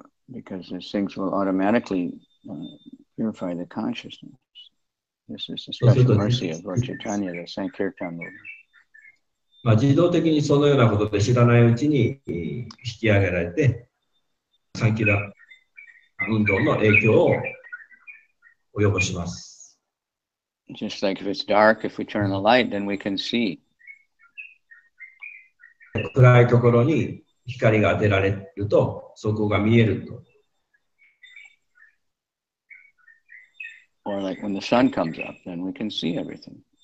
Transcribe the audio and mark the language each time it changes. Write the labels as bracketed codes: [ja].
[en] Because these things will automatically purify the consciousness. This is the special mercy of Lord Chaitanya, the Sankirtan movement. [ja] まあ、自動的にそのようなことで知らないうちに引き上げられて、サンキラ運動の影響を及ぼします。 [en] Just like if it's dark, if we turn the light, then we can see. [ja] 暗いところに光が当てられると、そこが見えると。 [en] Or like when the sun comes up, then we can see everything.